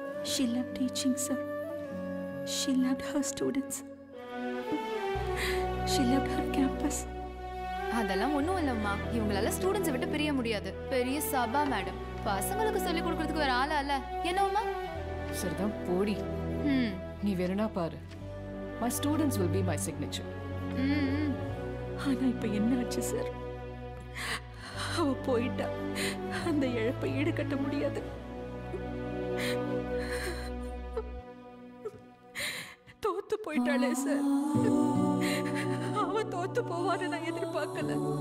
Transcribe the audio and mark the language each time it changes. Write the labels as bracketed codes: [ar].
[en] She loved teaching, sir. She loved her students. She loved her campus. [ta] அதெல்லாம் ஒன்றும் இல்லைம்மா. இவங்களால ஸ்டூடெண்ட்ஸை விட்டு பிரிய முடியாது. பெரிய சபா மேடம். பசங்களுக்கு சொல்லிக் கொடுக்கறதுக்கு வேற ஆளா இல்ல என்னம்மா? சரிதான் போடி. நீ வெறுனா பாரு. [en] My students will be my signature. [ta] ஆனால் இப்போ என்ன ஆச்சு சார்? அவ போயிட்டா அந்த இழப்பை ஈடுகட்ட முடியாது. தோத்து போயிட்டாளே சார். அவ தோத்து போவான்னு நான் எதிர்பார்க்கல.